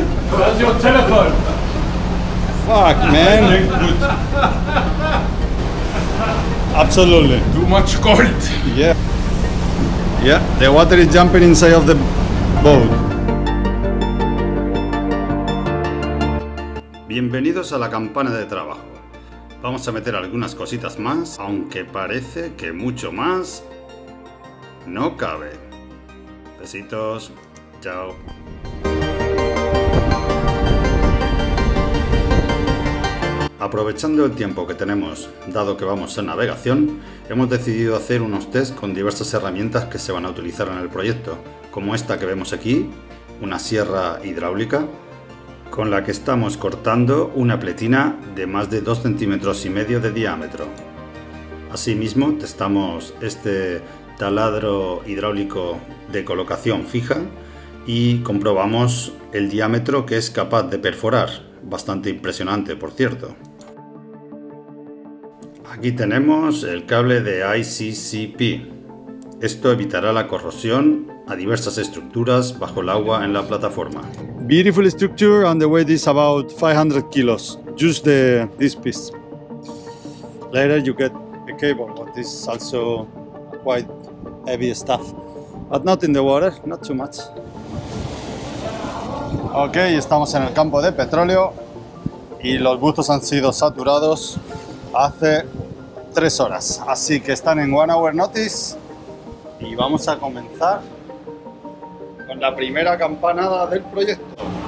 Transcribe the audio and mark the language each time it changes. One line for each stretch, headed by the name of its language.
English: Where's your telephone? Fuck, man. Absolutely. Too much cold. Yeah. Yeah, the water is jumping inside of the boat.
Spanish: Bienvenidos a la campana de trabajo. Vamos a meter algunas cositas más, aunque parece que mucho más no cabe. Besitos. Chao. Aprovechando el tiempo que tenemos, dado que vamos en navegación, hemos decidido hacer unos tests con diversas herramientas que se van a utilizar en el proyecto, como esta que vemos aquí, una sierra hidráulica, con la que estamos cortando una pletina de más de 2,5 centímetros de diámetro. Asimismo, testamos este taladro hidráulico de colocación fija y comprobamos el diámetro que es capaz de perforar. Bastante impresionante, por cierto. Aquí tenemos el cable de ICCP. Esto evitará la corrosión a diversas estructuras bajo el agua en la plataforma.
English: Beautiful structure and the weight is about 500 kilos. Just this piece. Later you get a cable, but this is also quite heavy stuff. But not in the water, not too much.
Spanish: Ok, estamos en el campo de petróleo y los buzos han sido saturados hace 3 horas. Así que están en
English: 1 hour notice
Spanish: y vamos a comenzar con la primera campanada del proyecto.